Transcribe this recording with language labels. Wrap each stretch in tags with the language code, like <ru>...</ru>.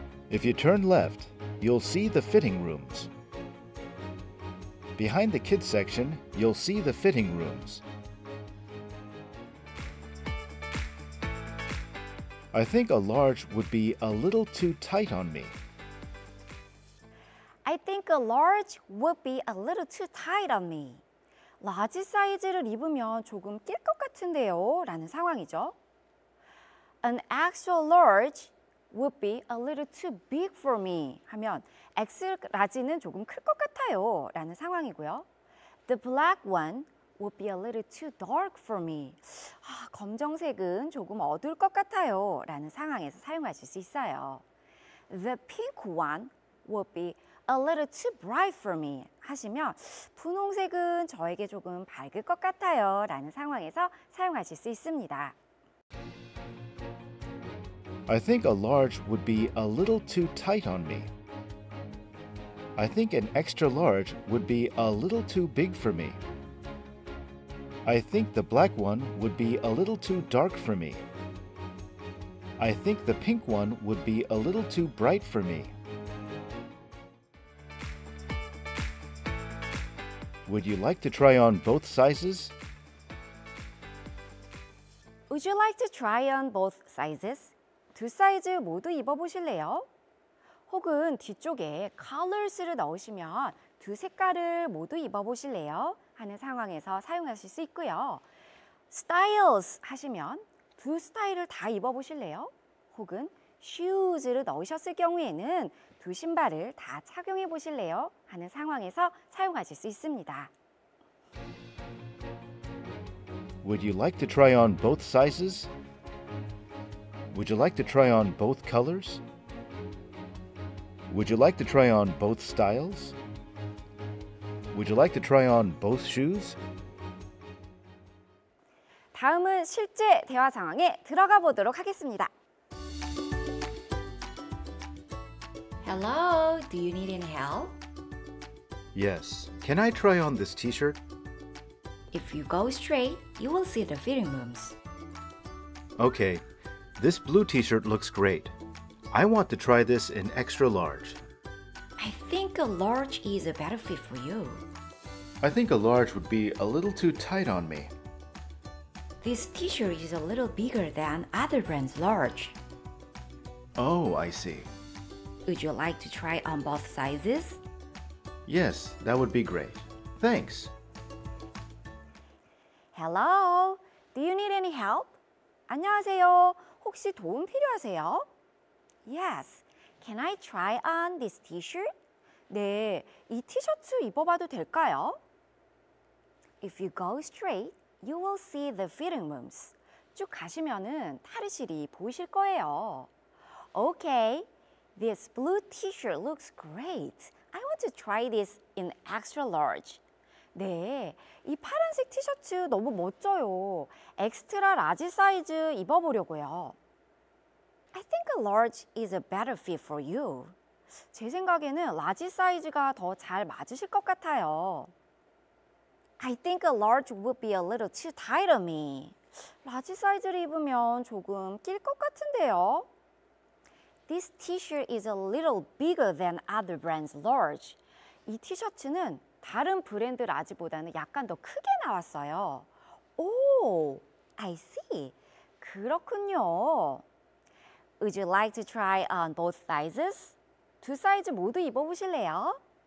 <en>If you turn left, you'll see the fitting rooms. Behind the kids section, you'll see the fitting rooms. I think a large would be a little too tight on me. I think a large would be a little too tight on me.</en> <ko>라지 사이즈를 입으면 조금 낄 것 같은데요. 라는 상황이죠.</ko> <en>An extra large would be a little too big for me.</en> <ko>하면 X라지는 조금 클 것 같아요. 라는 상황이고요.</ko> <en>The black one would be a little too dark for me.</en> <ko>아, 검정색은 조금 어두울 것 같아요. 라는 상황에서 사용하실 수 있어요.</ko> <en>The pink one would be a little too bright for me</en> <ko>하시면 분홍색은 저에게 조금 밝을 것 같아요 라는 상황에서 사용하실 수 있습니다.</ko> <en>I think a large would be a little too tight on me. I think an extra large would be a little too big for me. I think the black one would be a little too dark for me. I think the pink one would be a little too bright for me. Would you like to try on both sizes? Would you like to try on both sizes?</en> <ko>두 사이즈 모두 입어보실래요? 혹은 뒤쪽에 colors를 넣으시면 두 색깔을 모두 입어보실래요? 하는 상황에서 사용하실 수 있고요. styles 하시면 두 스타일을 다 입어보실래요? 혹은 shoes를 넣으셨을 경우에는 두 신발을 다 착용해 보실래요? 하는 상황에서 사용하실 수 있습니다.</ko> <en>Would you like to try on both sizes? Would you like to try on both colors? Would you like to try on both styles? Would you like to try on both shoes?</en> <ko>다음은 실제 대화 상황에 들어가 보도록 하겠습니다.</ko> <en>Hello, do you need any help? Yes, can I try on this t-shirt? If you go straight, you will see the fitting rooms. Okay, this blue t-shirt looks great. I want to try this in extra large. I think a large is a better fit for you. I think a large would be a little too tight on me. This t-shirt is a little bigger than other brands' large. Oh, I see. Would you like to try on both sizes? Yes, that would be great. Thanks. Hello, do you need any help?</en> <ko>안녕하세요. 혹시 도움 필요하세요?</ko> <en>Yes, can I try on this t-shirt?</en> <ko>네, 이 티셔츠 입어봐도 될까요?</ko> <en>If you go straight, you will see the fitting rooms.</en> <ko>쭉 가시면은 탈의실이 보이실 거예요.</ko> <en>Okay, this blue t-shirt looks great. I want to try this in extra large.</en> <ko>네, 이 파란색 티셔츠 너무 멋져요. 엑스트라 라지 사이즈 입어보려고요.</ko> <en>I think a large is a better fit for you.</en> <ko>제 생각에는 라지 사이즈가 더 잘 맞으실 것 같아요.</ko> <en>I think a large would be a little too tight on me.</en> <ko>라지 사이즈를 입으면 조금 낄 것 같은데요.</ko> <en>This t-shirt is a little bigger than other brands' large.</en> <ko>이 티셔츠는 다른 브랜드 라지보다는 약간 더 크게 나왔어요.</ko> <en>Oh, I see.</en> <ko>그렇군요.</ko> <en>Would you like to try on both sizes?</en> <ko>두 사이즈 모두 입어보실래요?</ko>